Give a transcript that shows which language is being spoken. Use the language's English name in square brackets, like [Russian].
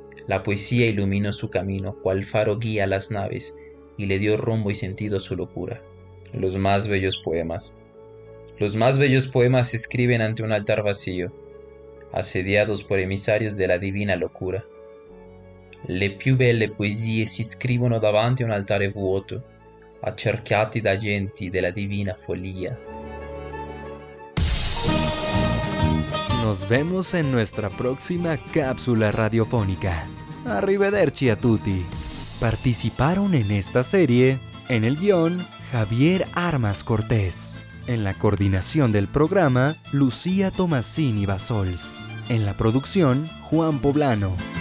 [Spanish] La poesía iluminó su camino, cual faro guía a las naves, y le dio rumbo y sentido a su locura. Los más bellos poemas. Los más bellos poemas se escriben ante un altar vacío, assediados por emisarios de la divina locura. [Italian] Le più belle poesie si scrivono davanti a un altare vuoto, accerchiati da agenti della divina follia. [Spanish] Nos vemos en nuestra próxima cápsula radiofónica. [Italian] Arrivederci a tutti. [Spanish] Participaron en esta serie, en el guión, Javier Armas Cortés. En la coordinación del programa, Lucía Tomasini Basols. En la producción, Juan Poblano.